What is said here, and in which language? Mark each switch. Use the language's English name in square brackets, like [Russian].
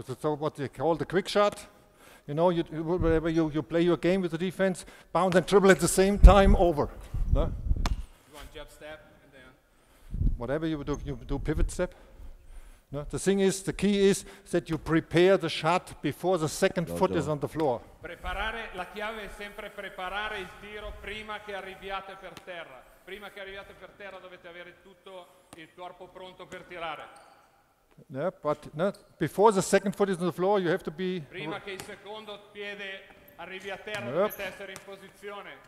[English] So what they call the quick shot. You know, whatever you play your game with the defense, bounce and dribble at the same time, over. No? You want jab step and then? Whatever you do pivot step. No? The thing is, the key is that you prepare the shot before the second foot is on the floor. [Italian] Preparare, la chiave è sempre preparare il tiro prima che arriviate per terra. Prima che arriviate per terra dovete avere tutto il corpo pronto per tirare. [English] Yeah, but no, before the second foot is on the floor, you have to be. [Italian] Prima che il secondo piede arrivi a terra, dovete essere in posizione.